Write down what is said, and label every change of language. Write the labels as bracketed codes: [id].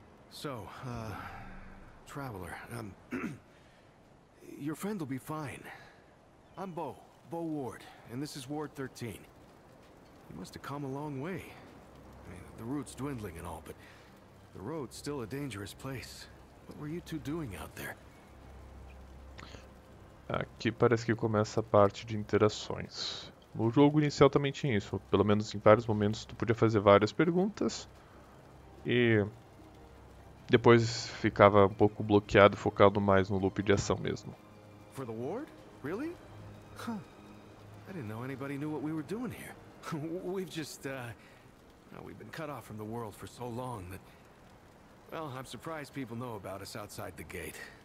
[en] So, Traveler, your friend will be fine. I'm Bo Ward, and this is Ward 13. You must have come a long way. I mean, the route's dwindling and all, but the road's still a dangerous place. What were you two doing out there? [pt] Aqui parece que começa a parte de interações. O jogo inicial também tinha isso. Pelo menos em vários momentos tu podia fazer várias perguntas. E... depois ficava um pouco bloqueado, focado mais no loop de ação mesmo. [en] For the ward? Really? Huh. I didn't know anybody knew what we were doing here. We've just we've been cut off from the world for so long that well, I'm surprised people know about us outside the gate.